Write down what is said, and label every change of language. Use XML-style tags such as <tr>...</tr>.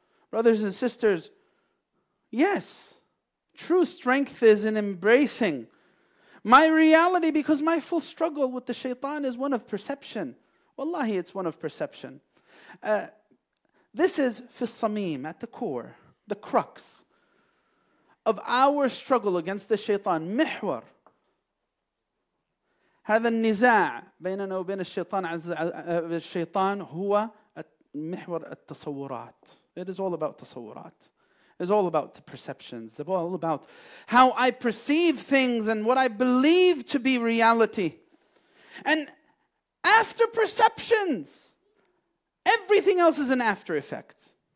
<en>Brothers and sisters, yes, true strength is in embracing my reality, because my full struggle with the shaitan is one of perception. Wallahi, it's one of perception. This is fis-samim, at the core, the crux of our struggle against the shaitan.</en> <ar>Mihwar. هذا النزاع بيننا وبين الشيطان عز الشيطان هو محور التصورات.</ar> <en>It is all about تصورات. It's all about the perceptions. It's all about how I perceive things and what I believe to be reality. And after perceptions, everything else is an after effect.</en>